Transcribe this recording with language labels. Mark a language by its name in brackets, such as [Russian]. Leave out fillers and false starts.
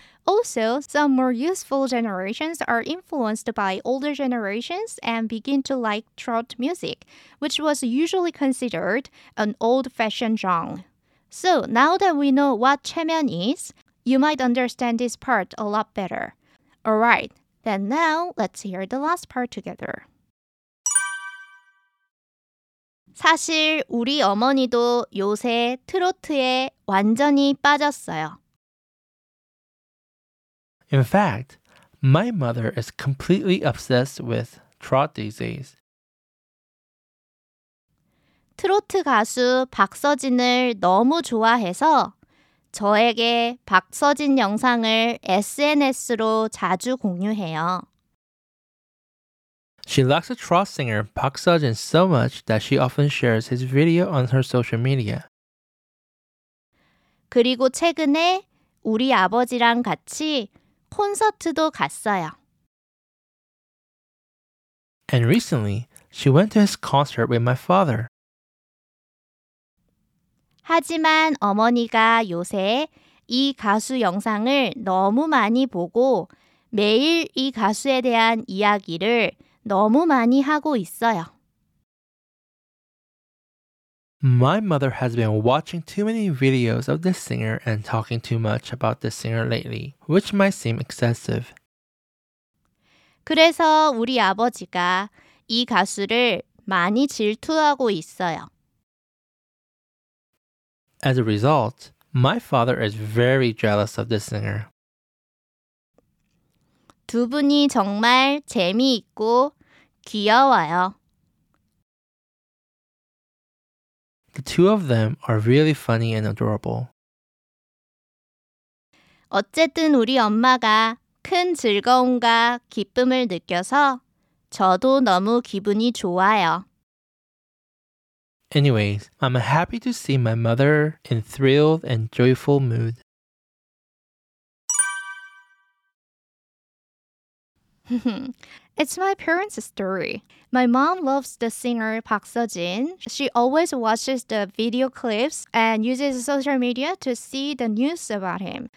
[English] Also, some more youthful generations are influenced by older generations and begin to like trot music, which was usually considered an old-fashioned genre. So, now that we know what 체면 is, you might understand this part a lot better. Alright, then now let's hear the last part together. [Korean] 사실 우리 어머니도 요새 트로트에 완전히 빠졌어요. [English] In fact, my mother is completely obsessed with trot these days. [Korean] 트로트 가수 박서진을 너무 좋아해서 저에게 박서진 영상을 SNS로 자주 공유해요. [English] She likes a trot singer Park Seo-jin so much that she often shares his video on her social media. [Korean] 그리고 최근에 우리 아버지랑 같이 콘서트도 갔어요. [English] And recently, She went to his concert with my father. [Korean] 하지만 어머니가 요새 이 가수 영상을 너무 많이 보고 매일 이 가수에 대한 이야기를 너무 많이 하고 있어요. [English] My mother has been watching too many videos of this singer and talking too much about this singer lately, which might seem excessive. [Korean] 그래서 우리 아버지가 이 가수를 많이 질투하고 있어요. [English] As a result, my father is very jealous of this singer. [Korean] 두 분이 정말 재미있고 귀여워요. [English] The two of them are really funny and adorable. [Korean] 어쨌든 우리 엄마가 큰 즐거움과 기쁨을 느껴서 저도 너무 기분이 좋아요. [English] Anyways, I'm happy to see my mother in thrilled and joyful mood. 흐흐 It's my parents' story. My mom loves the singer Park Seo-jin. She always watches the video clips and uses social media to see the news about him.